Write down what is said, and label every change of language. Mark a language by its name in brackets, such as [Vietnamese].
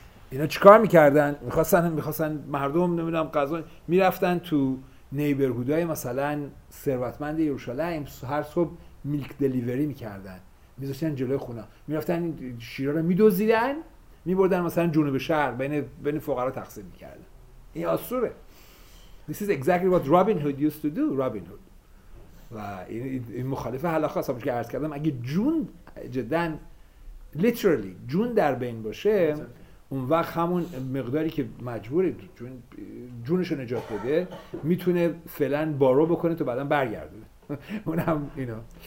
[Persian] اینا چیکار میکردن؟ میخواستن مردم نمیدونم قضا میرفتن تو نیبرهودای مثلا ثروتمند یروشلایم، هر صبح میلک دلیوری میکردن، میذاشتن جلوی خونه، میرفتن شیرا رو میدوزیدن، میبردن مثلا جنوب شهر بین فقرا تقسیم میکردن. این اسطوره. [English] This is exactly what Robin Hood used to do. Robin Hood. [Persian] و این مخالف هلاک هست. همونش که عرض کردم، اگه جون جدن literally جون در بین باشه، اون وقت همون مقداری که مجبوره جونش رو نجات بده میتونه فعلا بارو بکنه تو بعدا برگرده. اونم اینا.